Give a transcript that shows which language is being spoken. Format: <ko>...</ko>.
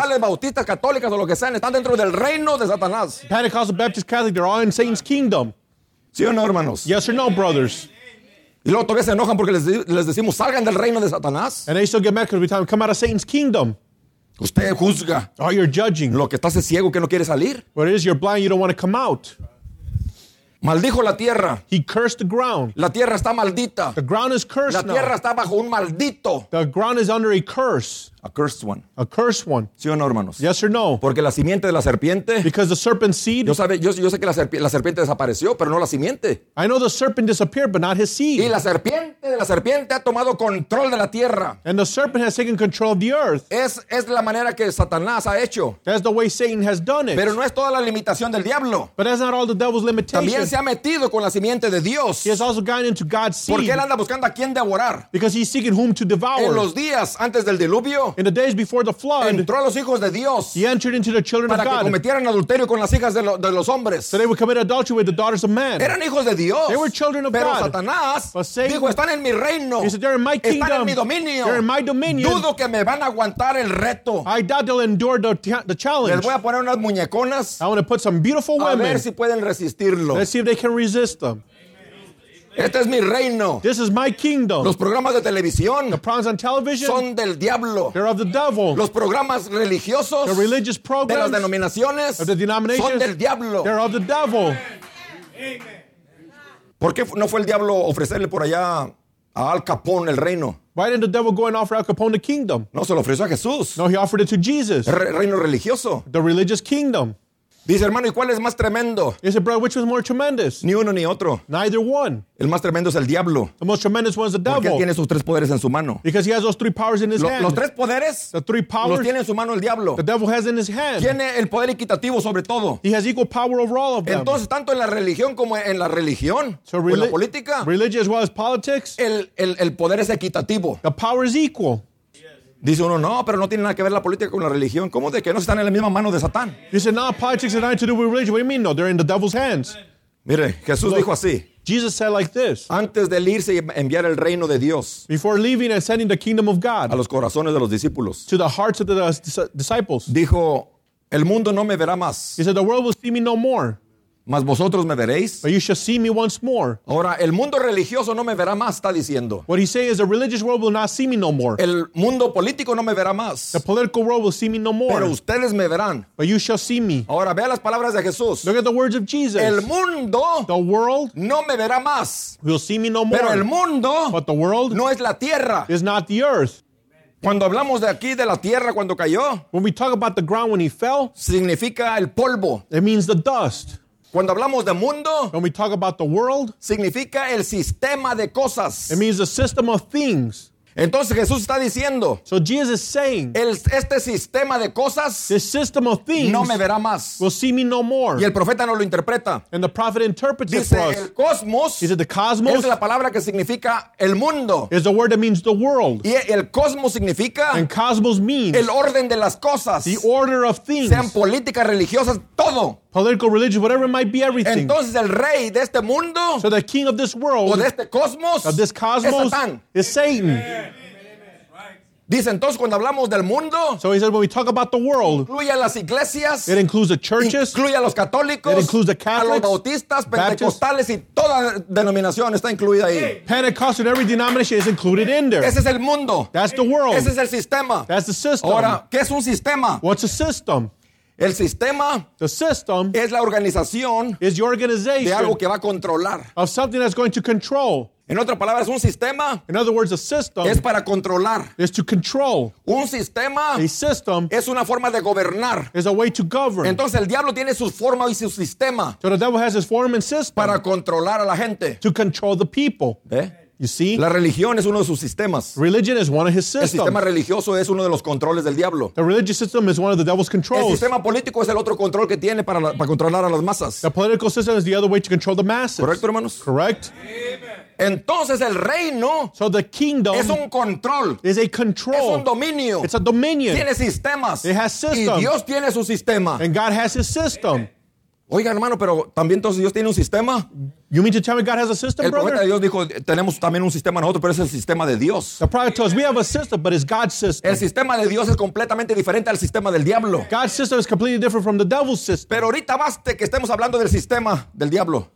<es>Pentecostales, bautistas, católicas o lo que sean, están dentro del reino de Satanás.</es> <en>Pentecostal, Baptist, Catholic, they're all in Satan's kingdom.</en> <es>¿Sí o no, hermanos?</es> <en>Yes or no, brothers?</en> <es>Y luego todavía se enojan porque les decimos, salgan del reino de Satanás.</es> <en>And they still get mad because we tell them, come out of Satan's kingdom.</en> <es>Usted juzga.</es> <en>Oh, you're judging.</en> <es>Lo que estás es ciego que no quiere salir.</es> <en>What it is, you're blind, you don't want to come out.</en> <es>Maldijo la tierra.</es> <en>He cursed the ground.</en> <es>La tierra está maldita.</es> <en>The ground is cursed</en> <es>La tierra</es> <en>now.</en> <es>Está bajo un maldito.</es> <en>The ground is under a curse. A cursed one. A cursed one.</en> <es>¿Sí o no, hermanos?</es> <en>Yes or no.</en> <es>Porque la simiente de la serpiente.</es> <en>Because the serpent seed.</en> <es>Yo sé que la serpiente desapareció, pero no la simiente.</es> <en>I know the serpent disappeared, but not his seed.</en> <es>Y la serpiente ha tomado control de la tierra.</es> <en>And the serpent has taken control of the earth.</en> <es>Es la manera que Satanás ha hecho.</es> <en>That's the way Satan has done it.</en> <es>Pero no es toda la limitación del diablo.</es> <en>But that's not all the devil's limitation.</en> <es>También se ha metido con la simiente de Dios.</es> <en>He has also gotten into God's seed.</en> <es>Porque él anda buscando a quien devorar.</es> <en>Because he's seeking whom to devour.</en> <es>En los días antes del diluvio.</es> <en>In the days before the flood,</en> <es>entró a los hijos de Dios,</es> <en>he entered into the children</en> <es>para</es> <en>of God.</en> <es>Que cometieran adulterio con las hijas de los hombres.</es> <en>So they would commit adultery with the daughters of men.</en> <es>Eran hijos de Dios.</es> <en>They were children of</en> <es>Pero</es> <en>God.</en> <es>Satanás,</es> <en>but Satan,</en> <es>dijo, están en mi reino.</es> <en>He said, they're in my kingdom.</en> <es>Están en mi dominio.</es> <en>They're in my dominion.</en> <es>Dudo que me van a aguantar el reto.</es> <en>I doubt they'll endure the challenge.</en> <es>Les voy a poner unas muñeconas.</es> <en>I want to put some beautiful women.</en> <es>A ver si pueden resistirlo.</es> <en>Let's see if they can resist them.</en> <es>Este es mi reino.</es> <en>This is my kingdom.</en> <es>Los programas de televisión,</es> <en>the programs on television,</en> <es>son del diablo.</es> <en>They're of the devil.</en> <es>Los programas religiosos,</es> <en>the religious programs,</en> <es>de las denominaciones,</es> <en>of the denominations,</en> <es>son del diablo.</es> <en>They're of the devil.</en> <es>Amen. ¿Por qué no fue el diablo ofrecerle por allá a Al Capone el reino?</es> <en>Why didn't the devil go and offer Al Capone the kingdom?</en> <es>No, se lo ofreció a Jesús.</es> <en>No, he offered it to Jesus.</en> <es>Reino religioso.</es> <en>The religious kingdom.</en> <es>Dice, hermano, ¿y cuál es más tremendo?</es> <en>He said, brother, which was more tremendous?</en> <es>Ni uno ni otro.</es> <en>Neither one.</en> <es>El más tremendo es el diablo.</es> <en>The most tremendous one is the devil.</en> <es>Porque tiene sus tres poderes en su mano.</es> <en>Because he has those three powers in his hand.</en> <es>Los tres poderes,</es> <en>the three powers,</en> <es>los tiene en su mano el diablo.</es> <en>The devil has in his hand.</en> <es>Tiene el poder equitativo sobre todo.</es> <en>He has equal power over all of them.</en> <es>Entonces, tanto en la religión como en la religión,</es> <en>so</en> <es>o en la política,</es> <en>religious as well as politics,</en> <es>el poder es equitativo.</es> <en>The power is equal.</en> <es>Dice uno, no, pero no tiene nada que ver la política con la religión. ¿Cómo de que no están en la misma mano de Satán?</es> <en>He said, no, politics have nothing to do with religion. What do you mean? No, they're in the devil's hands.</en> <es>Mire, Jesús dijo así.</es> <en>Jesus said like this.</en> <es>Antes de irse y enviar el reino de Dios.</es> <en>Before leaving and sending the kingdom of God.</en> <es>A los corazones de los discípulos.</es> <en>To the hearts of the disciples.</en> <es>Dijo, el mundo no me verá más.</es> <en>He said, the world will see me no more.</en> <es>Mas vosotros me veréis.</es> <en>But you shall see me once more.</en> <es>Ahora, el mundo religioso no me verá más, está diciendo.</es> <en>What he's saying is the religious world will not see me no more.</en> <es>El mundo político no me verá más.</es> <en>The political world will see me no more.</en> <es>Pero ustedes me verán.</es> <en>But you shall see me.</en> <es>Ahora, vea las palabras de Jesús.</es> <en>Look at the words of Jesus.</en> <es>El mundo,</es> <en>the world,</en> <es>no me verá más.</es> <en>Will see me no more.</en> <es>Pero el mundo,</es> <en>but the world,</en> <es>no es la tierra.</es> <en>Is not the earth.</en> <es>Cuando hablamos de aquí, de la tierra, cuando cayó.</es> <en>When we talk about the ground when he fell.</en> <es>Significa el polvo.</es> <en>It means the dust.</en> <es>Cuando hablamos de mundo,</es> <en>when we talk about the world,</en> <es>significa el sistema de cosas.</es> <en>It means the system of things.</en> <es>Entonces Jesús está diciendo,</es> <en>so Jesus is saying,</en> <es>este sistema de cosas,</es> <en>this system of things,</en> <es>no me verá más.</es> <en>Will see me no more.</en> <es>Y el profeta no lo interpreta.</es> <en>And the prophet interprets</en> <es>dice,</es> <en>it for us.</en> <es>El cosmos,</es> <en>is it the cosmos?</en> <es>Es la palabra que significa el mundo.</es> <en>Is the word that means the world.</en> <es>Y el cosmos significa,</es> <en>and cosmos means,</en> <es>el orden de las cosas.</es> <en>The order of things.</en> <es>Sean políticas, religiosas, todo.</es> <en>Political, religious, whatever it might be, everything.</en> <es>Entonces, el rey de este mundo,</es> <en>so the king of this world,</en> <es>o de este cosmos,</es> <en>of this cosmos,</en> <es>es Satán.</es> <en>Is Satan. Amen.</en> <es>Dice entonces cuando hablamos del mundo,</es> <en>so he says, when we talk about the world,</en> <es>incluye a las iglesias,</es> <en>it includes the churches,</en> <es>incluye a los católicos,</es> <en>it includes the Catholics,</en> <es>a los bautistas, pentecostales y toda denominación está incluida ahí.</es> <en>Pentecost and every denomination is included in there.</en> <es>Ese es el mundo.</es> <en>That's the world.</en> <es>Ese es el sistema.</es> <en>That's the system.</en> <es>Ahora, ¿qué es un sistema?</es> <en>What's a system?</en> <es>El sistema,</es> <en>the system,</en> <es>es la organización,</es> <en>is the organization,</en> <es>de algo que va a controlar,</es> <en>of something that's going to control.</en> <es>En otras palabras, un sistema,</es> <en>in other words, a system,</en> <es>es para controlar,</es> <en>is to control.</en> <es>Un sistema,</es> <en>a system,</en> <es>es una forma de gobernar,</es> <en>is a way to govern.</en> <es>Entonces el diablo tiene su forma y su sistema,</es> <en>so the devil has his form and system,</en> <es>para controlar a la gente,</es> <en>to control the people.</en> <es>¿Ve?</es> <en>You see?</en> <es>La religión es uno de sus sistemas.</es> <en>Religion is one of his systems.</en> <es>El sistema religioso es uno de los controles del diablo.</es> <en>The religious system is one of the devil's controls.</en> <es>El sistema político es el otro control que tiene para controlar a las masas.</es> <en>The political system is the other way to control the masses.</en> <es>¿Correcto, hermanos?</es> <en>Correct.</en> <es>Entonces el reino,</es> <en>so the kingdom,</en> <es>es un control.</es> <en>Is a control.</en> <es>Es un dominio.</es> <en>It's a dominion.</en> <es>Tiene sistemas.</es> <en>It has systems.</en> <es>Y Dios tiene su sistema.</es> <en>And God has his system.</en> <es>Oiga, hermano, pero también entonces Dios tiene un sistema.</es> <en>You mean to tell me God has a system,</en> <es>el</es> <en>brother?</en> <es>El profeta Dios dijo, tenemos también un sistema nosotros, pero es el sistema de Dios.</es> <en>The prophet told us, we have a system, but it's God's system.</en> <es>El sistema de Dios es completamente diferente al sistema del diablo.</es> <en>God's system is completely different from the devil's system.</en> <es>Pero ahorita basta que estemos hablando del sistema del diablo.</es>